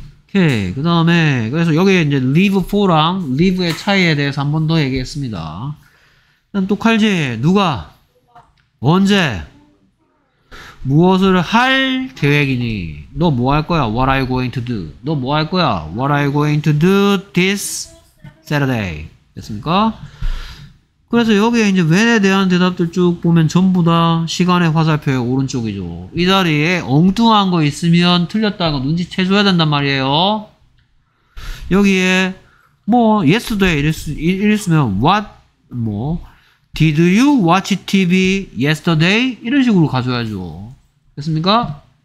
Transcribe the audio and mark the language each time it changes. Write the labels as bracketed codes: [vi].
[ko] 그 다음에 그래서 여기에 이제 leave for랑 leave의 차이에 대해서 한 번 더 얘기했습니다. 그럼 또 칼지 누가 언제 무엇을 할 계획이니? 너 뭐 할 거야? [en] What are you going to do? [ko] 너 뭐 할 거야? [en] What are you going to do this Saturday? [ko] 됐습니까? 그래서 여기에 이제 when에 대한 대답들 쭉 보면 전부 다 시간의 화살표의 오른쪽이죠. 이 자리에 엉뚱한 거 있으면 틀렸다고 눈치채줘야 된단 말이에요. 여기에 뭐 yesterday 이랬으면 what 뭐 [en] did you watch TV yesterday [ko] 이런 식으로 가져야죠. 됐습니까?